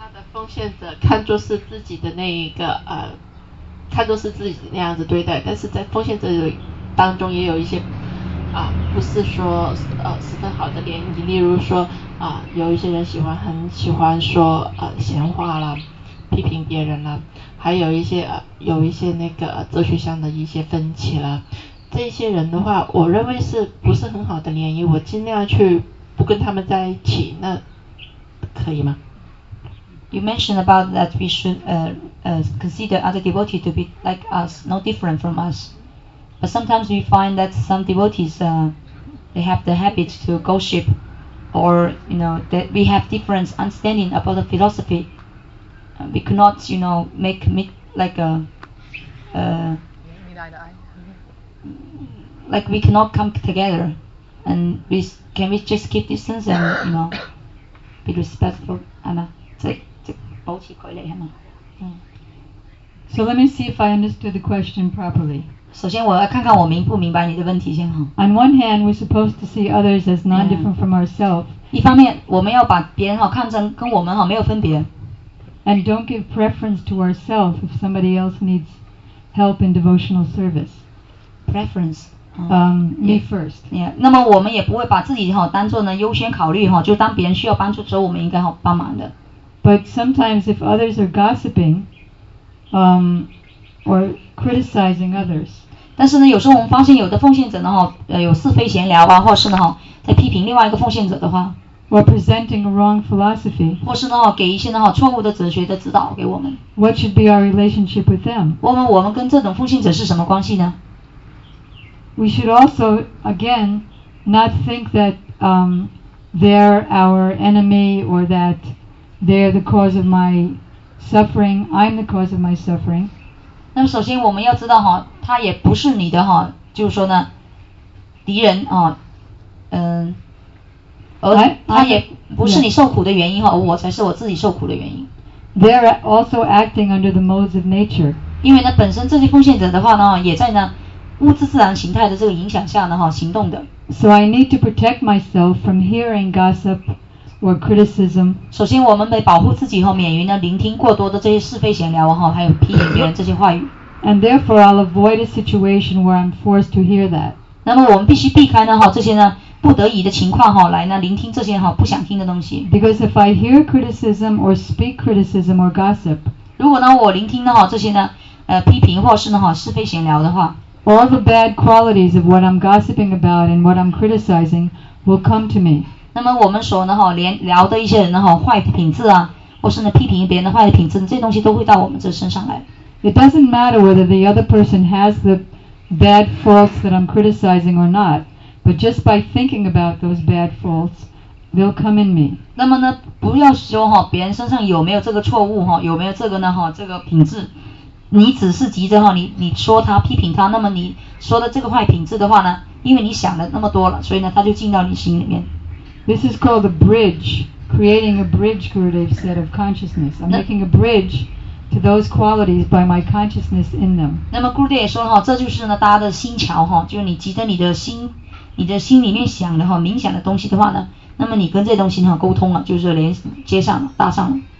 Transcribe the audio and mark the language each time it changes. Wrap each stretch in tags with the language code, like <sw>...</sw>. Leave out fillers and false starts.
<zh>奉献者看作是自己的那一个看作是自己那样子对待，但是在奉献者当中也有一些不是说十分好的联谊，例如说有一些人很喜欢说闲话啦，批评别人啦，还有一些那个哲学上的一些分歧啦，这些人的话，我认为是不是很好的联谊，我尽量去不跟他们在一起，那可以吗？</zh> <en>You mentioned about that we should consider other devotees to be like us, no different from us. But sometimes we find that some devotees, they have the habit to gossip, or you know that we have different understanding about the philosophy. We could not, you know, like we cannot come together, and can we just keep distance and you know, be respectful, Anna. So let me see if I understood the question properly.</en> <zh>首先我要看看我明不明白你的问题先哈。</zh> <en>On one hand, we're supposed to see others as non-different from ourselves.</en> <zh>一方面我们要把别人看成跟我们没有分别。</zh> <en>And don't give preference to ourselves if somebody else needs help in devotional service. Preference. Me first. Yeah.</en> <zh>那么我们也不会把自己当作呢优先考虑就当别人需要帮助的时候，我们应该帮忙的。</zh> <en>But sometimes if others are gossiping, or criticizing others.</en> <zh>但是呢有时候我们发现有的奉献者呢有是非闲聊啊或是呢在批评另外一个奉献者的话。</zh> <en>Or presenting a wrong philosophy.</en> <zh>或是呢给一些呢错误的哲学的指导给我们。</zh> <en>What should be our relationship with them?</en> <zh>我们跟这种奉献者是什么关系呢</zh> <en>?We should also, again, not think that, they're our enemy or that They're the cause of my suffering. I'm the cause of my suffering.</en> <zh>那么首先我们要知道哈，他也不是你的哈，就是说呢，敌人啊，而他也不是你受苦的原因，而我才是我自己受苦的原因。</zh> <en>They are also acting under the modes of nature.</en> <zh>因为呢，本身这些奉献者的话呢，也在呢物质自然形态的这个影响下呢，哈，行动的。</zh> <en>So I need to protect myself from hearing gossip or criticism.</en> <zh>首先，我们得保护自己哈，免于呢聆听过多的这些是非闲聊哈，还有批评别人这些话语。</zh> <en>And therefore, I'll avoid a situation where I'm forced to hear that.</en> <zh>那么我们必须避开呢哈，这些呢不得已的情况哈，来呢聆听这些哈不想听的东西。</zh> <en>Because if I hear criticism or speak criticism or gossip,</en> <zh>如果呢我聆听呢哈这些呢批评或是呢哈是非闲聊的话。</zh> <en>All the bad qualities of what I'm gossiping about and what I'm criticizing will come to me.</en> <zh>那么我们所呢哈连聊的一些人呢哈坏品质啊，或是呢批评别人的坏品质，这些东西都会到我们这身上来。</zh> <en>It doesn't matter whether the other person has the bad faults that I'm criticizing or not, but just by thinking about those bad faults, they'll come in me.</en> <zh>那么呢，不要说哈别人身上有没有这个错误哈，有没有这个呢哈这个品质。你只是急着哈，你说他批评他，那么你说的这个坏品质的话呢，因为你想的那么多了，所以呢，他就进到你心里面。</zh> <en>This is called a bridge, creating a bridge creative set of consciousness. I'm making a bridge to those qualities by my consciousness in them.</en> <zh>那么 Gurudev 也说哈，这就是呢搭的心桥哈，就是你急着你的心里面想的哈，冥想的东西的话呢，那么你跟这东西呢沟通了，就是连接上了，搭上了。</zh>